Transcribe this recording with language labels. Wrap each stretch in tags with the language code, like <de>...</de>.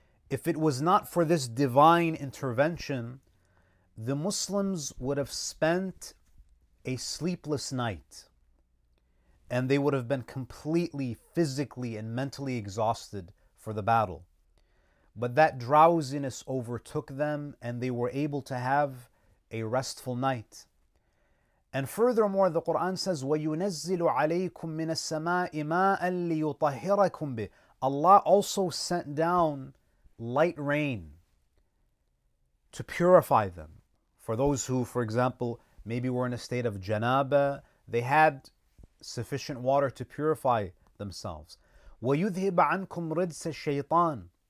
<en>If it was not for this divine intervention, the Muslims would have spent a sleepless night, and they would have been completely physically and mentally exhausted for the battle. But that drowsiness overtook them and they were able to have a restful night. And furthermore, the Quran says,</en> <ar>وَيُنَزِّلُ عَلَيْكُم مِّنَ السَّمَاءِ مَاءً لِيُطَهِّرَكُم بِهِ.</ar> <en>Allah also sent down light rain to purify them. For those who, for example, maybe were in a state of janaba, they had sufficient water to purify themselves.</en> <ar>وَيُذْهِبْ عَنْكُمْ رِجْسَ الشَّيْطَانِ.</ar>